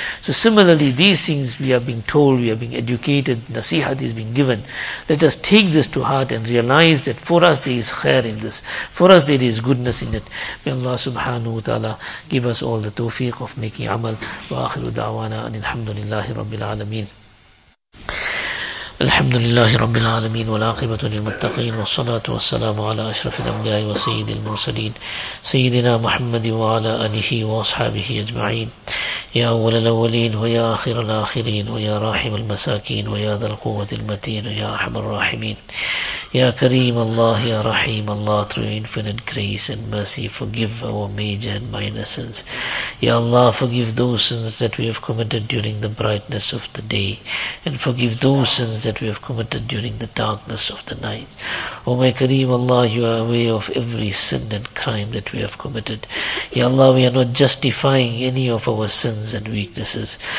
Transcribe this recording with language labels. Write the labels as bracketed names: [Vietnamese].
[English] So similarly, these things we are being told, we are being educated, nasihat is being given. Let us take this to heart and realize that for us there is khair in this. For us there is goodness in it. May Allah [Arabic] subhanahu wa ta'ala [English] give us all the tawfiq of making amal. [Arabic] Wa akhiru da'wana anil hamdulillahi rabbil alameen. الحمد لله رب العالمين والعاقبة للمتقين والصلاة والسلام على أشرف الأنبياء وسيد المرسلين سيدنا محمد وعلى آله وأصحابه أجمعين يا أول الأولين ويا آخر الآخرين ويا راحم المساكين ويا ذا القوة المتين ويا أرحم الراحمين يا كريم الله يا رحيم الله [English] through infinite grace and mercy forgive our major and minor sins. Ya Allah, forgive those sins that we have committed during the brightness of the day and forgive those sins that we have committed during the darkness of the night. O my Kareem Allah, you are aware of every sin and crime that we have committed. Ya Allah, we are not justifying any of our sins and weaknesses.